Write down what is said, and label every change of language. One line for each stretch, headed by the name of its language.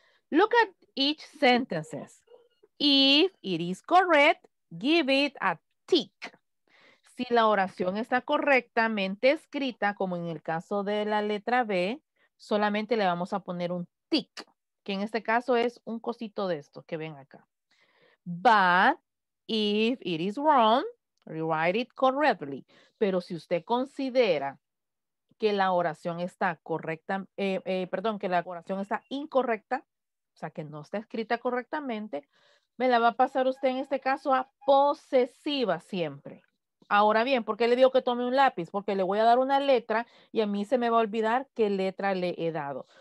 English: Look at each sentence. If it is correct, give it a tick.
Spanish: Si la oración está correctamente escrita, como en el caso de la letra B, solamente le vamos a poner un tick. Que en este caso es un cosito de estos que ven acá.
English: But if it is wrong, rewrite it correctly.
Spanish: Pero si usted considera que la oración está correcta, que la oración está incorrecta, o sea, que no está escrita correctamente, me la va a pasar usted en este caso a posesiva siempre. Ahora bien, ¿por qué le digo que tome un lápiz? Porque le voy a dar una letra y a mí se me va a olvidar qué letra le he dado.